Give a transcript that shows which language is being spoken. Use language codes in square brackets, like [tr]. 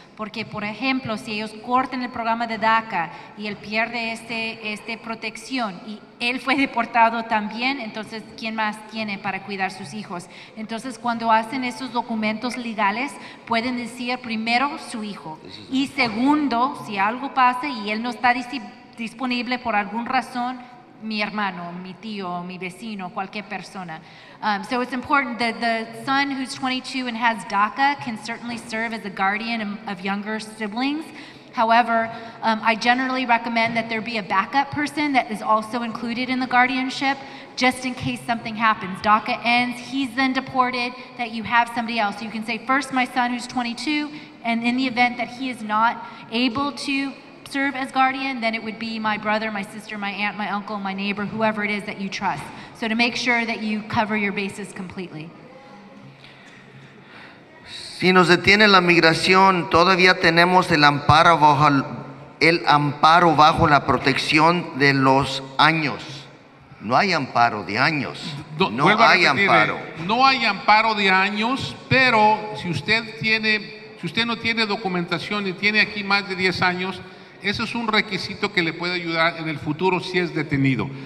[es] Porque, por ejemplo, si ellos cortan el programa de DACA y él pierde esta protección y él fue deportado también, entonces, ¿quién más tiene para cuidar sus hijos? Entonces, cuando hacen esos documentos legales, pueden decir primero su hijo. Y segundo, si algo pasa y él no está disponible por alguna razón, mi hermano, mi tío, mi vecino, cualquier persona. [en] So it's important that the son who's 22 and has DACA can certainly serve as a guardian of younger siblings. However, I generally recommend that there be a backup person that is also included in the guardianship, just in case something happens. DACA ends, he's then deported, that you have somebody else. You can say, first my son who's 22, and in the event that he is not able to serve as guardian, then it would be my brother, my sister, my aunt, my uncle, my neighbor, whoever it is that you trust. So to make sure that you cover your bases completely. [es] Si nos detiene la migración, todavía tenemos el amparo bajo la protección de los años. No hay amparo de años. No hay amparo de años, pero si usted no tiene documentación y tiene aquí más de 10 años, eso es un requisito que le puede ayudar en el futuro si es detenido.